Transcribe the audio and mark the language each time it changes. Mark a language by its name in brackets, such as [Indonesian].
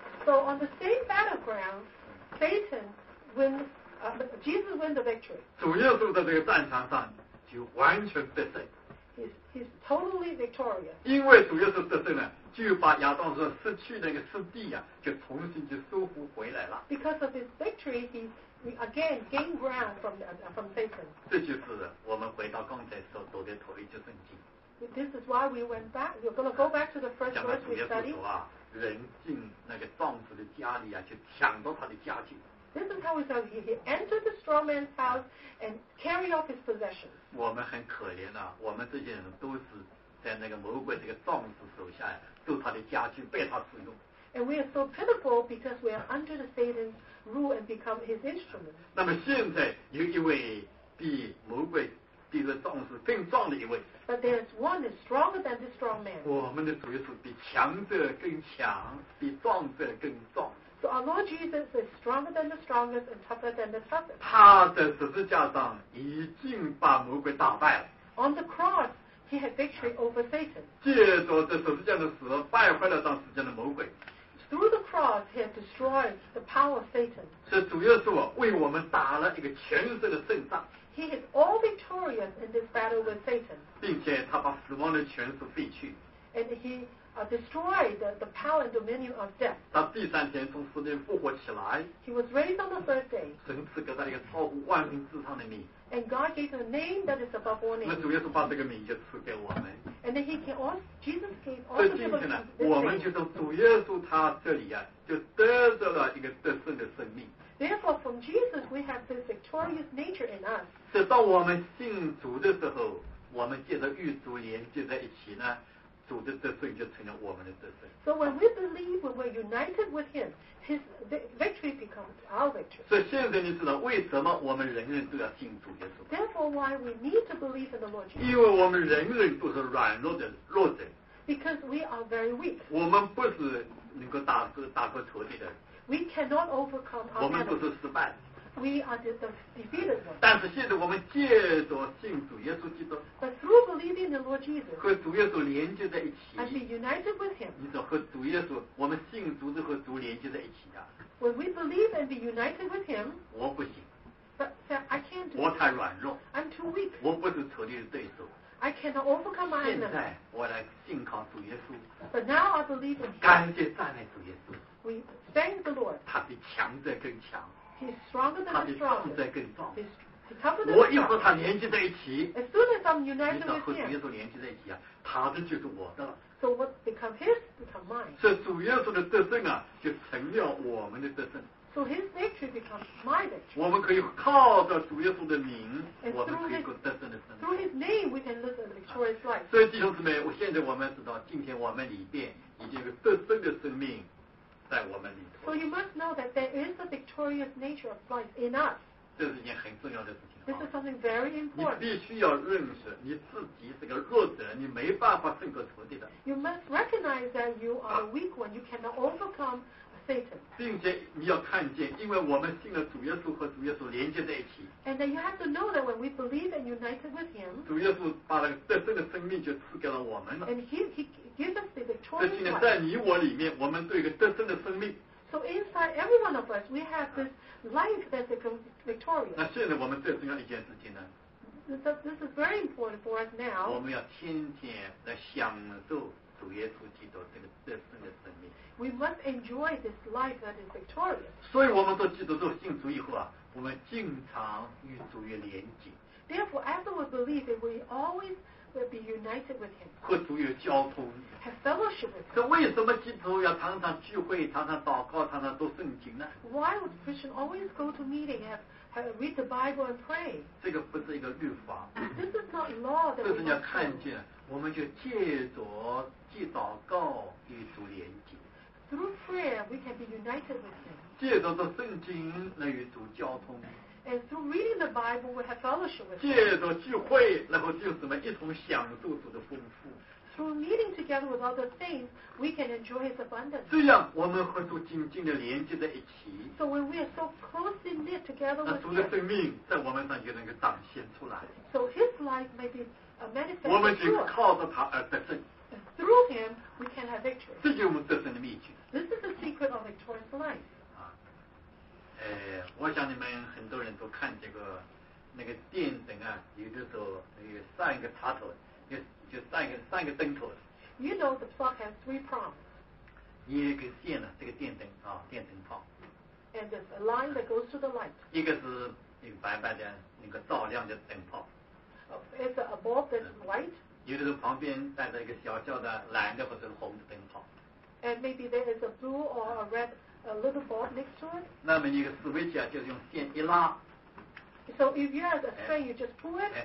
[English] So on the same battleground, Satan win, Jesus win the victory. [Chinese] 主耶稣在这个战场上就完全得胜。 [English] He's totally victorious. [Chinese] 因为主耶稣得胜了，就把亚当说失去那个失地呀、啊，就重新就收复回来了。 [English] Because of his victory, he again gained ground from Satan. [Chinese] 这就是我们回到刚才所读的头一节圣经。 [English] This is why we went back. We're going to go back to the first verse we studied. [Chinese] 讲到主耶稣说啊，人进那个壮士的家里啊，去抢到他的家具。 [English] This is how we say he entered the straw man's house and carried off his possessions. [Chinese] 我们很可怜呐、啊，我们这些人都是在那个魔鬼这个壮士手下，都他的家具被他使用。 [English] And we are so pitiful because we are under the Satan's rule and become his instrument. [Chinese] 那么现在有一位比魔鬼比这壮士更壮的一位。 [English] But there is one that's stronger than the strong man. [Chinese] 我们的主耶稣比强者更强，比壮者更壮。 [English] So our Lord Jesus is stronger than the strongest and tougher than the toughest. [Chinese] 他的十字架上已经把魔鬼打败了。 [English] On the cross, he had victory over Satan. [Chinese] 借着这十字架的死，败坏了当时间的魔鬼。 [English] Through the cross, he had destroyed the power of Satan. [Chinese] 是主耶稣为我们打了一个全胜的胜仗。 [English] He is all victorious in this battle with Satan. [Chinese] 并且他把死亡的权势废去。 [English] And he destroyed the power and dominion of death. [Chinese] 他第三天从死里复活起来。 [English] He was raised on the third day. [Chinese] 神赐给他一个超乎万名之上的名。 [English] And God gave him a name that is above all names. [Chinese] 那主耶稣把这个名就赐给我们。 [English] And then Jesus gave all the people this name. [Chinese] 我们就从主耶稣他这里啊，就得到了一个得胜的生命。 [English] Therefore, from Jesus, we have this victorious nature in us. [Chinese] 直到我们信主的时候，我们借着与主连接在一起呢。主的得胜就成了我们的得胜。 [English] So when we believe, when we're united with Him, His victory becomes our victory. [Chinese] 所以现在你知道为什么我们人人都要信主耶稣 [English] ？Therefore, why we need to believe in the Lord Jesus? [Chinese] 因为我们人人都是软弱的弱者。 [English] Because we are very weak. [Chinese] 我们不是能够打过仇敌的人。 [English] We cannot overcome our enemies. [Chinese] 我们不是失败。 [English] We are the defeated ones. [Chinese] 但是现在我们借着信主耶稣基督 [English] But through believing the Lord Jesus [Chinese] 和主耶稣连接在一起 [English] And be united with him [Chinese] 你说和主耶稣我们信主就和主连接在一起啊 [English] When we believe and be united with him [Chinese] 我不行 [English] But I can't do it [Chinese] 我太软弱 [English] I'm too weak [Chinese] 我不是仇敌的对手 [English] I cannot overcome my enemy [Chinese] 现在我来信靠主耶稣 [English] But now I believe in him [Chinese] 感谢赞美主耶稣 [English] We thank the Lord [Chinese] 他比强者更强 [English] He's stronger than the strong. [Chinese] 他比更壮。 [English] He's tougher than the strong. [Chinese] 我一和他连接在一起。 [English] As soon as I'm united with him. [Chinese] 你和主耶稣连接在一起啊，他的就是我的。 [English] So what become his become mine. [Chinese] 所以主耶稣的得胜啊，就成了我们的得胜。 [English] So his nature becomes my nature. [Chinese] 我们可以靠着主耶稣的名， [English] And、 [Chinese] 我们可以过得胜的生。 [English] Through his name, we can live a victorious life. [Chinese] 所以弟兄姊妹，我现在我们知道，今天我们里边已经有得胜的生命。在我们里头 [English] So you must know that there is a victorious nature of life in us. [Chinese] 这是一件很重要的事情。 [English] This is something very important. [Chinese] 你必须要认识你自己是个弱者，你没办法胜过仇敌的。 [English] You must recognize that you are a weak one. You cannot overcome Satan. [Chinese] 并且你要看见，因为我们信了主耶稣和主耶稣连接在一起。 [English] And then you have to know that when we believe and united with Him, [Chinese] 主耶稣把那个得胜的生命就赐给了我们了。 [English] And He gives us the victorious life. [Chinese] 所以现在在你我里面，我们对一个得胜的生命。 [English] So inside every one of us, we have this life that's victorious. [Chinese] 那现在我们最重要的一件事情呢？ [English] This is very important for us now. [Chinese] 我们要天天来享受主耶稣基督这个得胜的生命。 [English] We must enjoy this life that is victorious. [Chinese] 所以我们做基督徒信主以后啊，我们经常与主耶稣连接。 [English] Therefore, after we believe it, we always will be united with Him. [Chinese] 和主有交通。 [English] Have fellowship with Him. [Chinese] 所以为什么基督徒要常常聚会、常常祷告、常常读圣经呢 [English] ？Why would Christians always go to meeting and read the Bible and pray? [Chinese] 这个不是一个律法。 [English] This is not law. [Chinese] 这是你要看见，我们就借着既祷告与主连接。 [English] Through prayer, we can be united with Him. [Chinese] 借着读圣经来与主交通。 [English] And through reading the Bible, we have fellowship with Him. [Chinese] 借着聚会，然后就什么一同享受主的丰富。 [English] Through meeting together with other saints, we can enjoy His abundance. [Chinese] 这样，我们和主紧紧的连接在一起。 [English] So when we are so closely knit together with Him, [Chinese] 主的生命在我们上就能够彰显出来。 [English] So His life may be manifested. [Chinese] 我们仅靠着他而得胜。 [English] Through him, we can have victory. [Chinese] 这就是我们得胜的秘诀。 [English] This is the secret of victorious life. [Chinese] 我想你们很多人都看这个那个电灯啊，有的时候有三个插头，就三个灯头。 [English] You know the plug has three prongs. [Chinese] 你有一个线呢，这个电灯啊，电灯泡。 [English] And there's a line that goes to the light. [Chinese] 一个是有白白的那个照亮的灯泡。 [English] It's a bulb that's white. [Chinese] 有的时候旁边带着一个小小的蓝的或者红的灯泡。 [English] And maybe there is a blue or a red a little bulb next to it. [Chinese] 那么你的 switch 啊，就是用线一拉。 [English] So if you have a string, you just pull it.